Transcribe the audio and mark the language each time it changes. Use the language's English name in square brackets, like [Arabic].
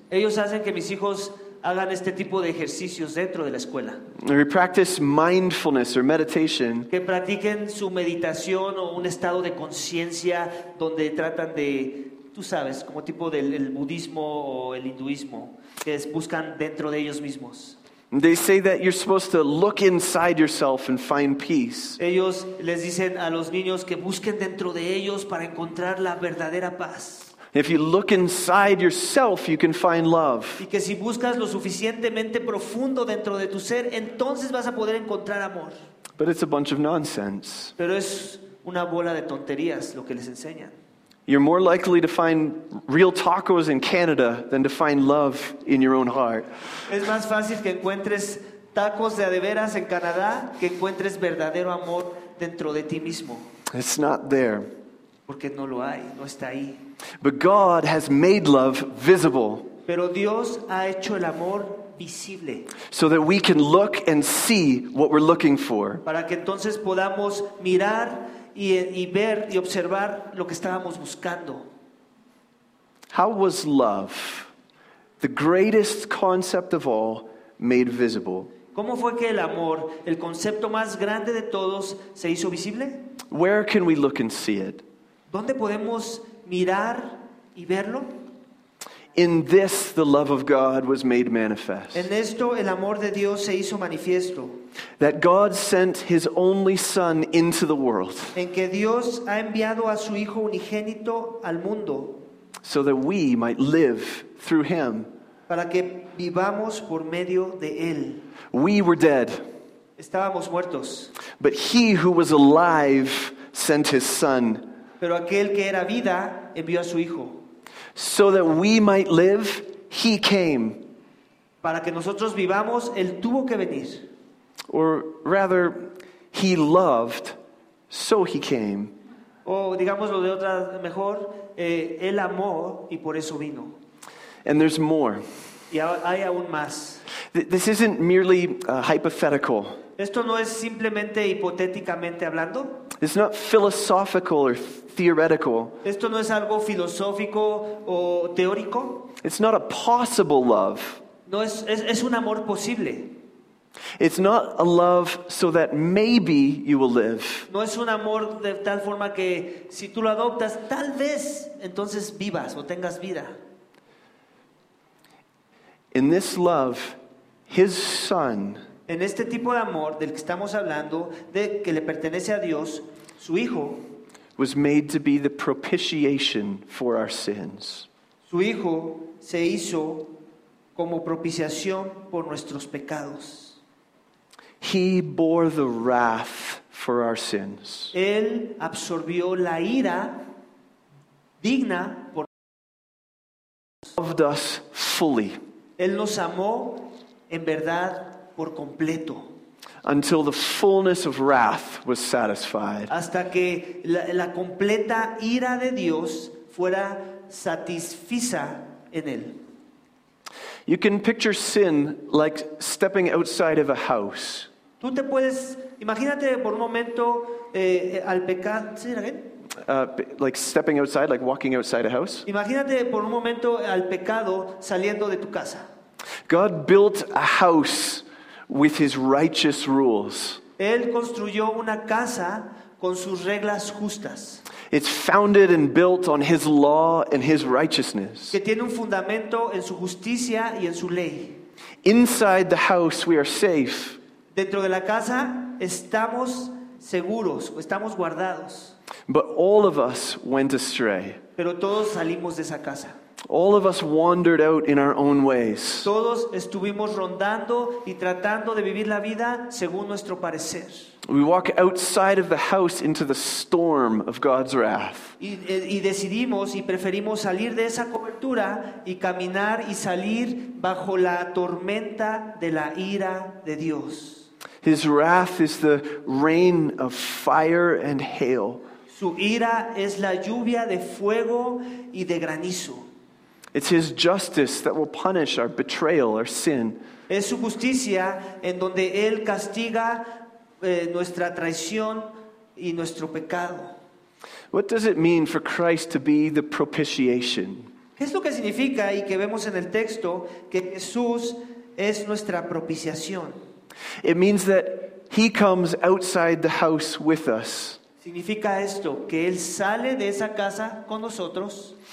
[Spanish] Ellos hacen que mis hijos hagan este tipo de ejercicios dentro de la escuela. [English] We practice mindfulness or meditation. [Spanish] Que practiquen su meditación o un estado de conciencia donde tratan de, tú sabes, como tipo del budismo o el hinduismo, que buscan dentro de ellos mismos. [English] They say that you're supposed to look inside yourself and find peace. [Spanish] Ellos les dicen a los niños que busquen dentro de ellos para encontrar la verdadera paz. [English] If you look inside yourself, you can find love. [Spanish] Y que si buscas lo suficientemente profundo dentro de tu ser, entonces vas a poder encontrar amor. [English] But it's a bunch of nonsense. [Spanish] Pero es una bola de tonterías lo que les enseñan. [English] You're more likely to find real tacos in Canada than to find love in your own heart. [Spanish] Es más fácil que encuentres tacos de veras en Canadá que encuentres verdadero amor dentro de ti mismo. [English] It's not there. [Spanish] Porque no lo hay, no está ahí. [English] But God has made love visible. [Spanish] Pero Dios ha hecho el amor visible. [English] So that we can look and see what we're looking for. [Spanish] Para que entonces podamos mirar y ver y observar lo que estábamos buscando. [English] How was love, the greatest concept of all, made visible? [Spanish] ¿Cómo fue que el amor, el concepto más grande de todos, se hizo visible? [English] Where can we look and see it? [Spanish] ¿Dónde podemos mirar y verlo? [English] In this, the love of God was made manifest. [Spanish] En esto, el amor de Dios se hizo manifiesto. [English] That God sent His only Son into the world. [Spanish] En que Dios ha enviado a su Hijo unigénito al mundo. [English] So that we might live through Him. [Spanish] Para que vivamos por medio de Él. [English] We were dead. [Spanish] Estábamos muertos. [English] But He who was alive sent His Son. [Spanish] Pero aquel que era vida envió a su Hijo. [English] So that we might live, He came. [Spanish] Para que nosotros vivamos, Él tuvo que venir. [English] Or rather, He loved, so He came. [Spanish] O digámoslo de otra mejor, Él amó y por eso vino. [English] And there's more. [Spanish] Y hay aún más. [English] This isn't merely hypothetical. [Spanish] Esto no es simplemente hipotéticamente hablando. [English] It's not philosophical or theoretical. [Spanish] Esto no es algo filosófico o teórico. [English] It's not a possible love. [Spanish] No es, es un amor posible. [English] It's not a love so that maybe you will live. [Spanish] No es un amor de tal forma que si tú lo adoptas, tal vez entonces vivas o tengas vida. [English] In this love, His Son. [Spanish] En este tipo de amor del que estamos hablando, de que le pertenece a Dios, su Hijo. [English] Was made to be the propitiation for our sins. [Spanish] Su Hijo se hizo como propiciación por nuestros pecados. [English] He bore the wrath for our sins. [Spanish] Él absorbió la ira digna por nosotros. [English] Loved us fully. [Spanish] Él nos amó en verdad por completo. [English] Until the fullness of wrath was satisfied. [Spanish] Hasta que la completa ira de Dios fuera satisfecha en él. [English] You can picture sin like stepping outside of a house. [Spanish] Tú te puedes, imagínate por un momento al pecado. ¿Sí, Raquel? [English] Like stepping outside, like walking outside a house. [Spanish] Imagínate por un momento al pecado saliendo de tu casa. [English] God built a house with His righteous rules. [Spanish] Él construyó una casa con sus reglas justas. [English] It's founded and built on His law and His righteousness. [Spanish] Que tiene un fundamento en su justicia y en su ley. [English] Inside the house we are safe. [Spanish] Dentro de la casa estamos seguros, estamos guardados. [English] But all of us went astray. [Spanish] Pero todos salimos de esa casa. [English] All of us wandered out in our own ways. [Spanish] Todos estuvimos rondando y tratando de vivir la vida según nuestro parecer. [English] We walk outside of the house into the storm of God's wrath. [Spanish] Y decidimos y preferimos salir de esa cobertura y caminar y salir bajo la tormenta de la ira de Dios. [English] His wrath is the rain of fire and hail. [Spanish] Su ira es la lluvia de fuego y de granizo. [English] It's His justice that will punish our betrayal, our sin. [Spanish] Es su justicia en donde Él castiga nuestra traición y nuestro pecado. [English] What does it mean for Christ to be the propitiation? [Spanish] ¿Qué es lo que significa y que vemos en el texto que Jesús es nuestra propiciación? [English] It means that He comes outside the house with us. [Spanish] Significa esto, que Él sale de esa casa con nosotros.